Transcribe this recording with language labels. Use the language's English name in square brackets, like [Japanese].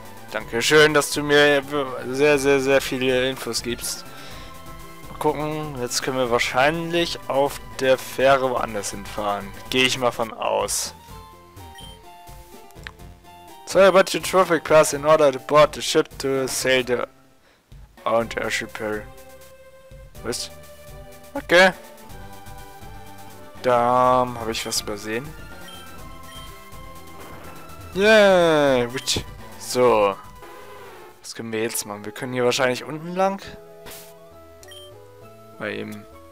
[German] Danke schön, dass du mir sehr, sehr, sehr viele Infos gibst. Mal gucken, jetzt können wir wahrscheinlich auf der Fähre woanders hinfahren. Gehe ich mal von aus. [English] So, about your traffic pass in order to board the ship to sail the Orange Airship Pier. [German] Was? Okay. Da habe ich was übersehen. Yeah. So. Was können wir jetzt machen? Wir können hier wahrscheinlich unten lang. Bei ihm.